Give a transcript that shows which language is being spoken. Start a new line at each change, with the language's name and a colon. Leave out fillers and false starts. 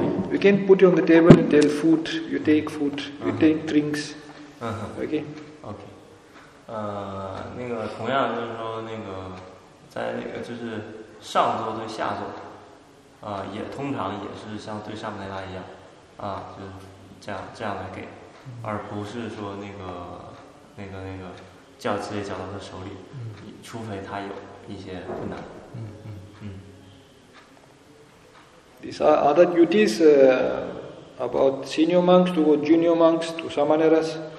English: You can put it on the table and tell food, you take food, you take drinks, okay? Okay.
Chinese: 在那个就是上座对下座，也通常也是像对上面那一样，就是这样来给，而不是说那个叫直接交到他手里，除非他有一些困难。
English: These are other duties about senior monks to junior monks to samaneras.